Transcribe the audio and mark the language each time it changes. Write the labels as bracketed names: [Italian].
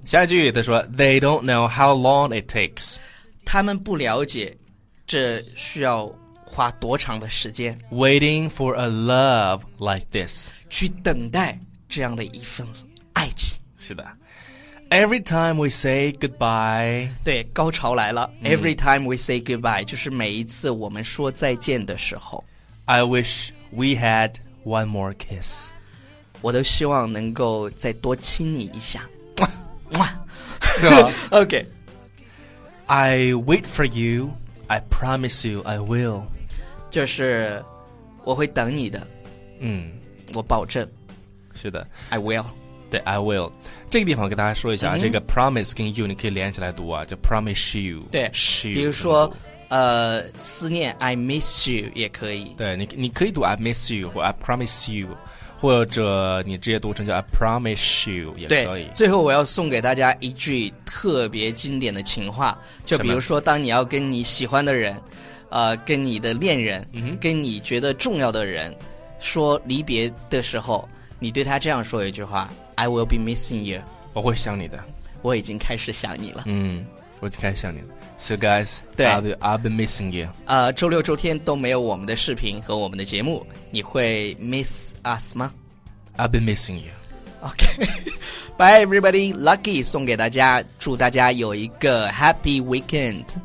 [Chinese] 下一句他说 [English] ，They don't know how long it takes， [Chinese] 他们不了解这需要花多长的时间。 [English] Waiting for a love like this， [Chinese] 去等待这样的一份。爱情，是的。 [English] Every time we say goodbye， [Chinese] 对，高潮来了。 [English] Every time we say goodbye， [Chinese] 就是每一次我们说再见的时候。 [English] I wish we had one more kiss. [Chinese] 我都希望能够再多亲你一下。对吧 [English] ？OK. I wait for you. I promise you I will. [Chinese] 就是我会等你的。嗯，我保证。是的 [English] ，I will. 对 ，I will. [Chinese] 这个地方跟大家说一下，这个 promise 跟 you 你可以连起来读啊，就 promise you. 对 [English] ，she. [Chinese] 比如说。思念 [English] I miss you [Chinese] 也可以对 你可以读 [English] I miss you [Chinese] 或 [English] I promise you [Chinese] 或者你直接读成叫 [English] I promise you [Chinese] 也可以对最后我要送给大家一句特别经典的情话就比如说当你要跟你喜欢的人跟你的恋人、嗯、跟你觉得重要的人说离别的时候你对他这样说一句话 [English] I will be missing you [Chinese] 我会想你的我已经开始想你了嗯我就开始想你了 [English] So guys I've been missing you [Chinese] 周六周天都没有我们的视频和我们的节目你会 [English] miss us [Chinese] 吗 [English] I've been missing you OK Bye everybody [Chinese] Lucky 送给大家祝大家有一个 [English] happy weekend